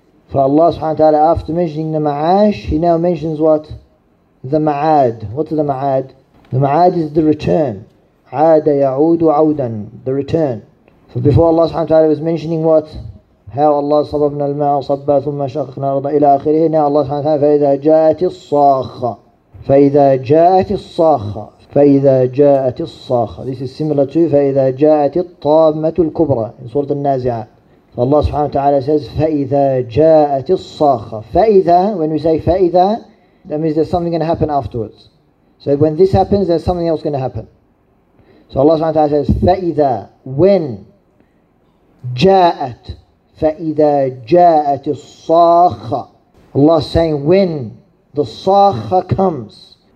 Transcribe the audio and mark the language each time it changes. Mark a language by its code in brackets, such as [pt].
[en] For Allah subhanahu wa ta'ala, after mentioning the ma'ash, He now mentions what? The ma'ad. What's the ma'ad? The ma'ad is the return. Aada ya'udu awdan. The return. So before Allah subhanahu wa ta'ala was mentioning what? [ar] How Allah صببنا الماء صبا ثم شققنا الأرض إلى آخره. Now Allah سبحانه وتعالى فإذا جاءت الصاخة. [en] This is similar to [ar] فإذا جاءت الطامة الكبرى [en] in سورة النازعة. [ar] So Allah سبحانه وتعالى says فإذا جاءت الصاخة. فإذا, [en] when we say فإذا, that means there's something going to happen afterwards. So when this happens, there's something else going to happen. So Allah سبحانه وتعالى says [ar] فإذا, [en] when [ar] جاءت. فَإِذَا جَاءَتِ الصَّاخَةِ, [en] Allah is saying when the صَاخَة comes.